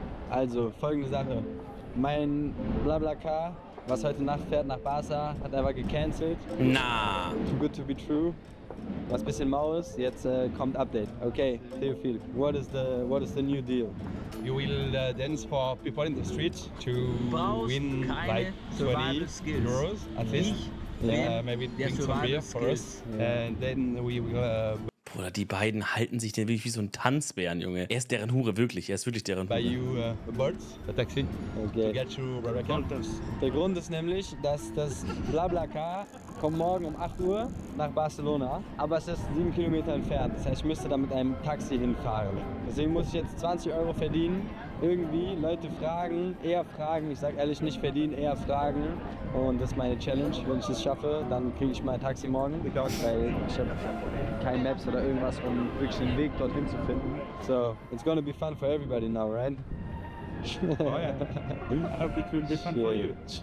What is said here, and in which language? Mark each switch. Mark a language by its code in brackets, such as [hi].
[de] Also, folgende Sache. Mein BlaBlaCar, was heute Nacht fährt nach Barca, hat einfach gecancelt. Na. [en] Too good to be true. [de] Was ein bisschen mau ist, jetzt kommt Update. [en] Okay, Theophil, what is the new deal? You will dance for people in the street to win like 20 euros at least. Maybe drink some beer for us. And then we will... [de] Oder die beiden halten sich denn wirklich wie so ein Tanzbären, Junge. Er ist deren Hure, wirklich. Er ist wirklich deren Hure. [en] Buy you a bird, a taxi, okay. To get you where I can. [de] Der Grund ist nämlich, dass das BlaBlaCar kommt morgen um 8 Uhr nach Barcelona. Aber es ist 7 Kilometer entfernt. Das heißt, ich müsste da mit einem Taxi hinfahren. Deswegen muss ich jetzt 20 Euro verdienen. Irgendwie Leute fragen, eher fragen. Ich sag ehrlich, nicht verdienen, eher fragen. Und das ist meine Challenge. Wenn ich es schaffe, dann kriege ich mein Taxi morgen. Weil ich habe keine Maps oder irgendwas, um wirklich den Weg dorthin zu finden. [en] So, it's gonna be fun for everybody now, right? [de] Oh ja. [en] I hope it will be fun for you.